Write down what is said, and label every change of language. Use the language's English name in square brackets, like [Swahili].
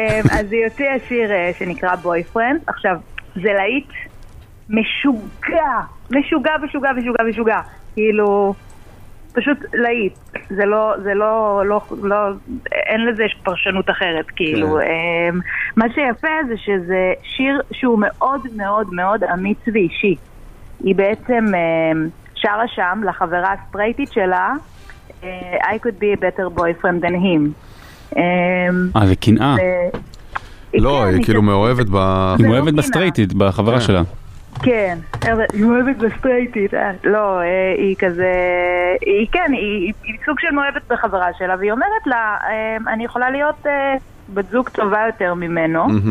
[Hebrew] אז היא הוציאה שיר שנקרא בויפרנד. עכשיו, זה להיט משוגע. משוגע, משוגע, משוגע, משוגע. כאילו, פשוט להיט. זה לא, אין לזה פרשנות אחרת, כאילו. מה שיפה זה שזה שיר שהוא מאוד מאוד מאוד אמיץ ואישי. היא בעצם שרה שם לחברה הסטרייטית שלה [English] I could be a better boyfriend than him. [Hebrew] זה קנאה. לא, היא כאילו מאוהבת ב... היא מאוהבת בסטרייטית, בחברה שלה. כן, היא מאוהבת בסטרייטית. לא, היא כזה... היא כן, היא סוג של מאוהבת בחברה שלה, והיא אומרת לה אני יכולה להיות בזוג טובה יותר ממנו.